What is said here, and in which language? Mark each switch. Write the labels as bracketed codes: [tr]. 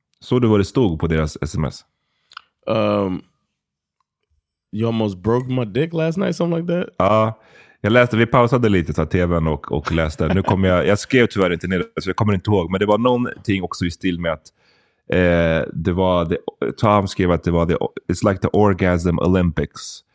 [sv] Såg du vad det stod på deras sms? [en] You almost broke my dick last night, something like that? [sv] Ja, jag läste, vi pausade lite så tvn och läste. Nu kommer jag skrev tyvärr inte ner det, så jag kommer inte ihåg. Men det var någonting också i stil med att det var det, Tom skrev att det var det, [en] it's like the orgasm Olympics.